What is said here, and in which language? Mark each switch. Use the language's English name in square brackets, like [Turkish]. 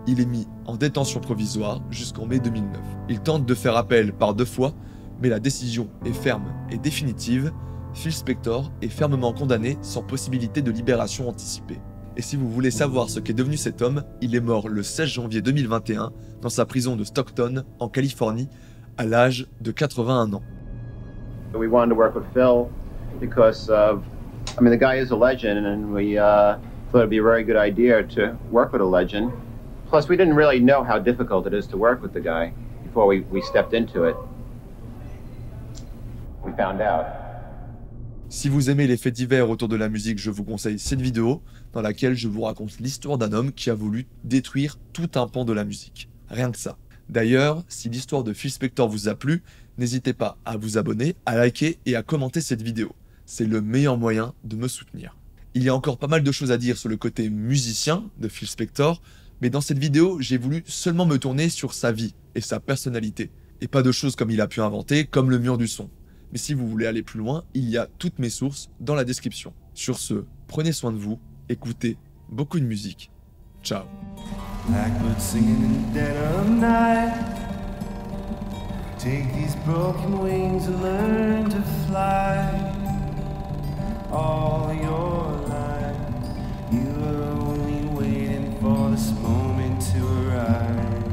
[French] Il est mis en détention provisoire jusqu'en mai 2009. Il tente de faire appel par deux fois, mais la décision est ferme et définitive. Phil Spector est fermement condamné sans possibilité de libération anticipée. Et si vous voulez savoir ce qu'est devenu cet homme, il est mort le 16 janvier 2021 dans sa prison de Stockton, en Californie, à l'âge de 81 ans. [English] We wanted to work with Phil because of, I mean, the guy is a legend, and we thought it'd be a very good idea to work with a legend. Plus, we didn't really know how difficult it is to work with the guy before we stepped into it. We found out. [French] Si vous aimez les faits divers autour de la musique, je vous conseille cette vidéo dans laquelle je vous raconte l'histoire d'un homme qui a voulu détruire tout un pan de la musique. Rien que ça. D'ailleurs, si l'histoire de Phil Spector vous a plu, n'hésitez pas à vous abonner, à liker et à commenter cette vidéo. C'est le meilleur moyen de me soutenir. Il y a encore pas mal de choses à dire sur le côté musicien de Phil Spector, mais dans cette vidéo, j'ai voulu seulement me tourner sur sa vie et sa personnalité, et pas de choses comme il a pu inventer, comme le mur du son. Mais si vous voulez aller plus loin, il y a toutes mes sources dans la description. Sur ce, prenez soin de vous, écoutez beaucoup de musique. Ciao. [English] Blackbird singing in the dead of night. Take these broken wings and learn to fly. All your life, you were only waiting for this moment to arrive.